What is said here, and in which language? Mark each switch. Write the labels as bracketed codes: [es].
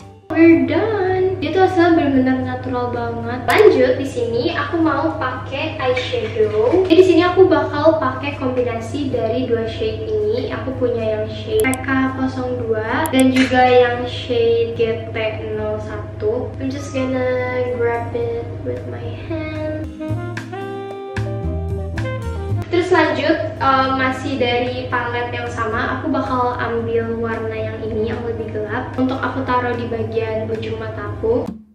[en] We're done. [id] Itu hasilnya benar-benar natural banget. Lanjut, di sini aku mau pakai eyeshadow. Jadi di sini aku bakal pakai kombinasi dari dua shade ini. Aku punya yang shade PK02 dan juga yang shade GT01. [en] I'm just gonna grab it with my hand. [id] Terus lanjut, masih dari palette yang sama, aku bakal ambil warna yang ini yang lebih gelap untuk aku taruh di bagian ujung mataku.